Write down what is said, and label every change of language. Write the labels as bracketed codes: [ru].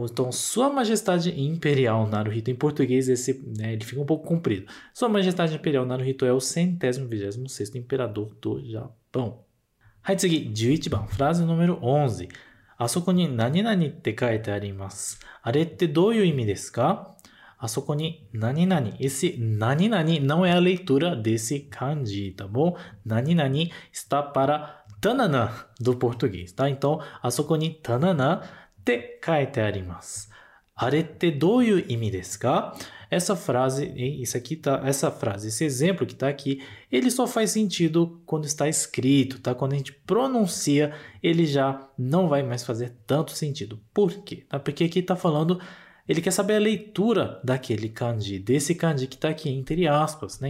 [pt] Então, Sua Majestade Imperial Naruhito. Em português, esse, né? Ele fica um pouco comprido. Sua Majestade Imperial Naruhito é o centésimo vigésimo sexto imperador do Japão. [ja] はい、次、11番、フラーズ [pt] número 11。 [ja] あそこに何々って書いてあります。あれってどういう意味ですか？あそこに何々。 [pt] Esse 何々 não é a leitura desse kanji, tá bom? 何々 está para tanana do português, tá? [ja] Então, あそこに tanana って書いてあります。あれってどういう意味ですか？ [pt] Essa frase, hein? Isso aqui tá, essa frase, esse exemplo que está aqui, ele só faz sentido quando está escrito, tá? Quando a gente pronuncia, ele já não vai mais fazer tanto sentido. Por quê? Tá? Porque aqui está falando, ele quer saber a leitura daquele kanji, desse kanji que está aqui entre aspas, né?